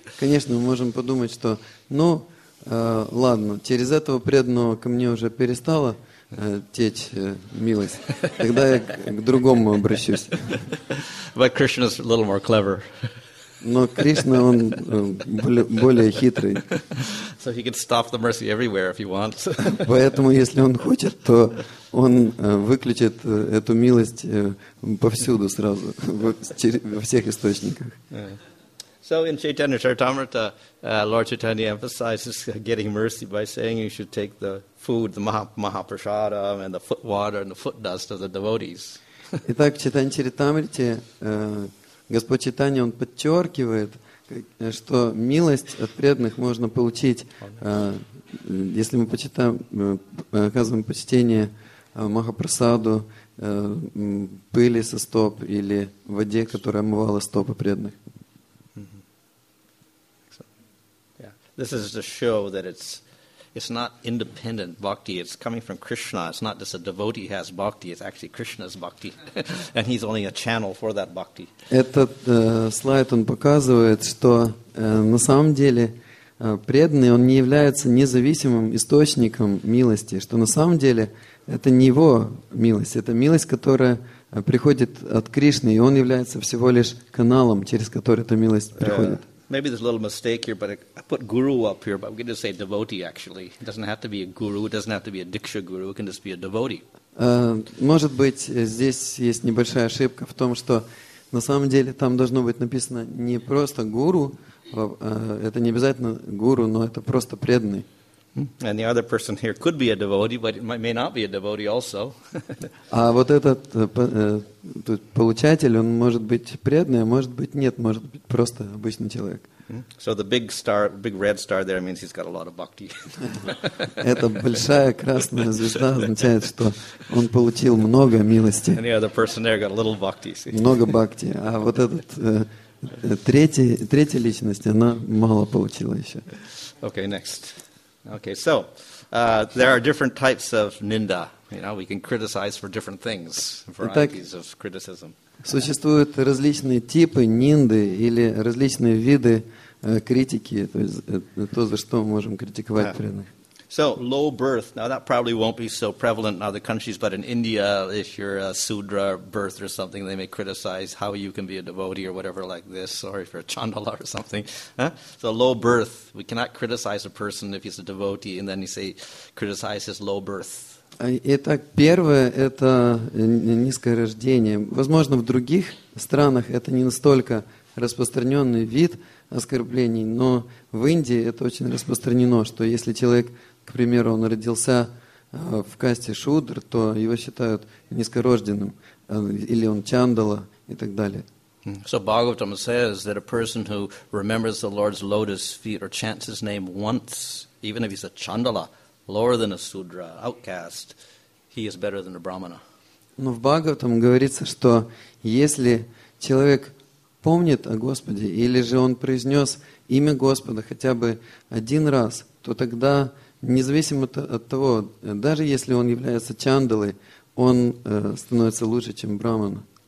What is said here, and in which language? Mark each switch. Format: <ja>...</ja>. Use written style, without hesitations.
<ru>Конечно, мы можем подумать, что, ну, ладно, через этого преданного ко мне уже перестала течь милость. Тогда я к другому обращусь.</ru> <en>But Krishna is a little more clever.</en> <ru>Но Кришна, он более хитрый.</ru> <en>So he can stop the mercy everywhere if he wants.</en> <ru>Поэтому, если он хочет, то он выключит эту милость повсюду сразу, во всех источниках.</ru> <en>So in Chaitanya Charitamrita, Lord Chaitanya emphasizes getting mercy by saying you should take the food, the maha-prasada, and the foot water and the foot dust of the devotees.</en> <ru>Итак, в Чайтанья Чаритамрите Господь Чайтанья, он подчеркивает, что милость от преданных можно получить, если мы почитаем, оказываем почтение Махапрасаду, пыли со стоп или воде, которая омывала стопы преданных.</ru> <en>This is to show that it's not independent bhakti, it's coming from Krishna. It's not just a devotee has bhakti, it's actually Krishna's bhakti. And he's only a channel for that bhakti.</en> <ru>Этот слайд, он показывает, что на самом деле преданный, он не является независимым источником милости, что на самом деле это не его милость, это милость, которая приходит от Кришны, и он является всего лишь каналом, через который эта милость приходит.</ru> <en>Maybe there's a little mistake here, but I put guru up here, but we can just say devotee, actually. It doesn't have to be a guru, it doesn't have to be a diksha guru, it can just be a devotee.</en> <ru>Может быть, здесь есть небольшая ошибка в том, что на самом деле там должно быть написано не просто гуру, это не обязательно гуру, но это просто преданный.</ru> <en>And the other person here could be a devotee, but it may not be a devotee also.</en> <ru>А вот этот получатель, он может быть преданный, может быть нет, может быть просто обычный человек.</ru> <en>So the big star, big red star there means he's got a lot of bhakti.</en> <ru>Эта большая красная звезда означает, что он получил много милости.</ru> <en>And the other person there got a little bhakti.</en> <ru>Много бхакти. А вот этот третья личность, она мало получила еще.</ru> <en>Okay, next. Okay, so there are different types of ninda. You know, we can criticize for different things, varieties of criticism. Существуют различные типы нинды или различные виды критики, то есть то, за что мы можем критиковать преданных. So low birth. Now that probably won't be so prevalent in other countries, but in India, if you're a sudra birth or something, they may criticize how you can be a devotee or whatever like this, or if you're a chandala or something. Huh? So low birth. We cannot criticize a person if he's a devotee and then you say criticize his low birth.</en> <ru>Итак, первое – это низкое рождение. Возможно, в других странах это не настолько распространенный вид оскорблений, но в Индии это очень распространено, что если человек, к примеру, он родился в касте шудр, то его считают низкорожденным, или он чандала и так далее.</ru> <en>So Bhagavatam says that a person who remembers the Lord's lotus feet or chants his name once, even if he's a chandala, lower than a sudra, outcast, he is better than a brahmana.</en> <ru>Но в Бхагаватам говорится, что если человек помнит о Господе, или же он произнес имя Господа хотя бы один раз, то тогда, независимо от того, даже если он является чандалой, он становится лучше, чем брахмана.</ru>